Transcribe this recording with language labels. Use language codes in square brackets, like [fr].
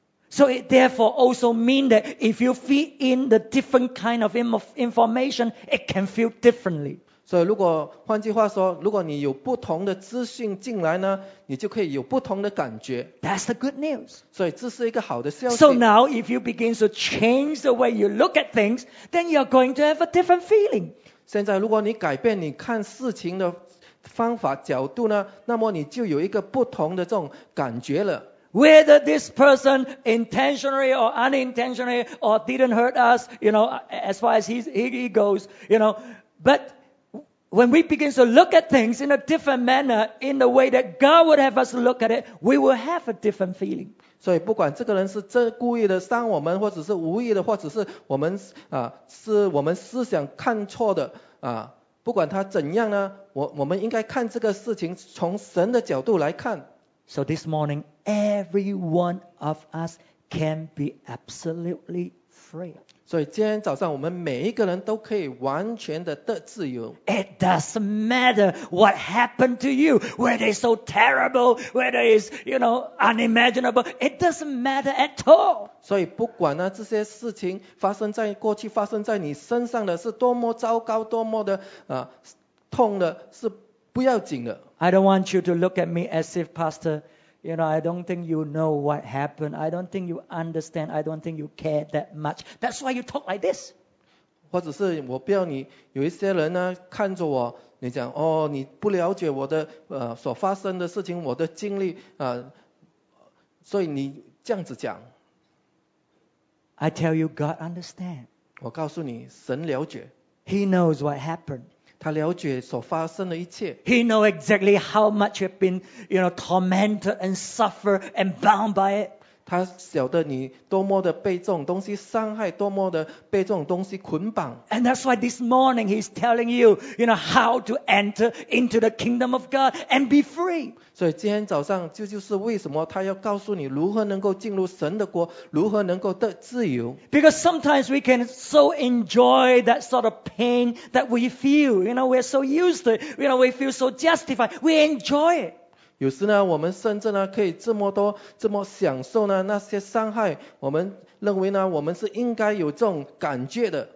[en] So it therefore also means that if you feed in the different kind of information, it can feel differently. [zh] 所以如果换句话说，如果你有不同的资讯进来呢，你就可以有不同的感觉。 [en] That's the good news. [zh] 所以这是一个好的消息。 [en] So now, if you begin to change the way you look at things, then you're going to have a different feeling. [zh] 现在如果你改变你看事情的方法角度呢，那么你就有一个不同的这种感觉了。 [en] Whether this person intentionally or unintentionally or didn't hurt us, you know, as far as he goes, you know, but when we begin to look at things in a different manner, in the way that God would have us look at it, we will have a different feeling. [zh] 所以不管这个人是故意的伤我们，或者是无意的，或者是我们是我们思想看错的不管他怎样呢，我们应该看这个事情从神的角度来看。 [en] So this morning, every one of us can be absolutely free. [zh] 所以今天早上我们每一个人都可以完全的得自由。 [en] It doesn't matter what happened to you, whether it's so terrible, whether it's, you know, unimaginable, it doesn't matter at all. [zh] 所以不管呢这些事情发生在过去发生在你身上的是多么糟糕多么的痛的是不要紧的。 [en] I don't want you to look at me as if, Pastor, you know, I don't think you know what happened. I don't think you understand. I don't think you care that much. That's why you talk like this. [zh] 或者是我不要你有一些人呢看着我，你讲哦，你不了解我的所发生的事情，我的经历所以你这样子讲。 [en] I tell you, God understands. [zh] 我告诉你，神了解。 [en] He knows what happened. [zh] 他了解所发生的一切。 [en] He know exactly how much you've been, you know, tormented and suffer and bound by it. [zh] 他晓得你多么的被这种东西伤害，多么的被这种东西捆绑。 [en] And that's why this morning he's telling you, you know, how to enter into the kingdom of God and be free. [zh] 所以今天早上就是为什么他要告诉你如何能够进入神的国，如何能够得自由。 [en] Because sometimes we can so enjoy that sort of pain that we feel, you know, we're so used to it, you know, we feel so justified, we enjoy it. [zh] 有时呢，我们甚至呢可以这么享受呢那些伤害，我们认为呢我们是应该有这种感觉的。